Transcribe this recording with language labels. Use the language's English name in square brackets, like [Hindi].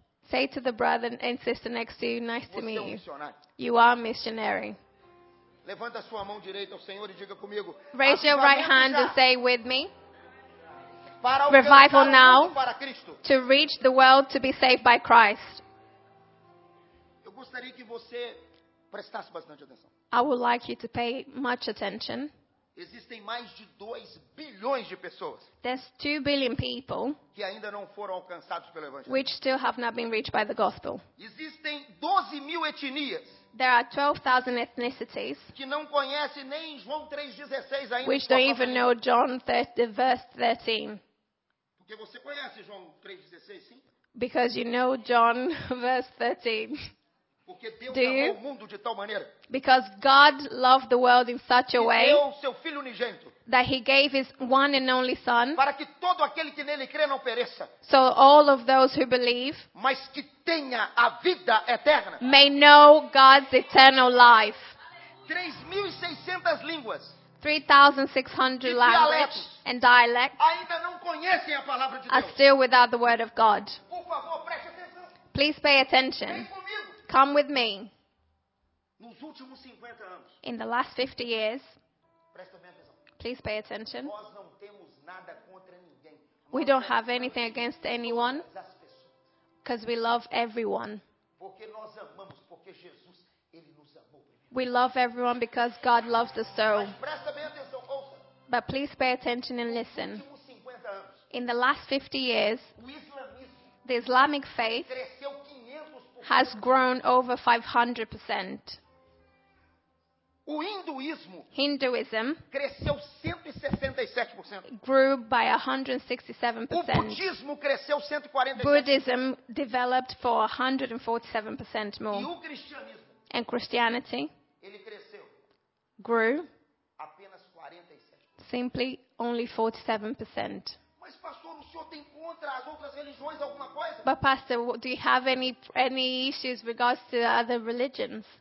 [English] Say to the brother and sister next to you, nice to meet you. You are a missionary. [Portuguese] Levanta sua mão direita ao Senhor e diga comigo. [English] Raise your right hand and say with me. [Portuguese] Para [English] revival now. [Portuguese] Para Cristo. [English] To reach the world to be saved by Christ. [Portuguese] Eu gostaria que você prestasse bastante atenção. [English] I would like you to pay much attention. [Portuguese] Existem mais de 2 bilhões de pessoas. [English] There's 2 billion people. [Portuguese] Que ainda não foram alcançados pelo evangelho. [English] Which still have not been reached by the gospel. [Portuguese] Existem 12 mil etnias. [English] There are 12,000 ethnicities [Portuguese] que não conhece nem João 3:16 ainda, [English] which don't even know John 30, verse 13. [Portuguese] Porque você conhece João 3:16, sim? [English] Because you know John verse 13. [Portuguese] Porque Deus [English] Do you? [Portuguese] Amou o mundo de tal maneira. [English] Because God loved the world in such a way [Portuguese] deu seu filho unigênito, [English] that he gave his one and only son [Portuguese] para que todo aquele que nele crê não pereça. [English] So all of those who believe [Portuguese] mas que tenha a vida eterna, [English] may know God's eternal life. [Portuguese] 3,600 línguas [English] 3,600 languages and dialects [Portuguese] ainda não conhecem a palavra de Deus. [English] Are still without the word of God. [Portuguese] Por favor, preste atenção. [English] Please pay attention. [Portuguese] Vem comigo. [English] Come with me. [Portuguese] Nos últimos 50 anos, [English] in the last 50 years, [Portuguese] presta bem atenção. [English] Please pay attention. [Portuguese] Nós não temos nada contra ninguém. [English] We don't have anything against anyone because we love everyone. [Portuguese] Porque nós amamos, porque Jesus, ele nos amou. [English] We love everyone because God loves us so. [Portuguese] Mas presta bem atenção, ouça. [English] But please pay attention and listen. [Portuguese] Nos últimos 50 anos, [English] in the last 50 years, [Portuguese] o islamismo, [English] the Islamic faith [Portuguese] cresceu [English] has grown over 500%. [Portuguese] O hinduísmo, [English] Hinduism, [Portuguese] cresceu 167%. [English] Grew by 167%. [Portuguese] O budismo cresceu 147%. [English] Buddhism developed for 147% more. [Portuguese] E o cristianismo, [English] and Christianity, [Portuguese] ele cresceu, [English] grew [Portuguese] apenas 47%. [English] Simply only 47%. [Portuguese] Mas pastor, o senhor tem contra as outras religiões alguma coisa? [English] But pastor, do you have any issues regards to other religions?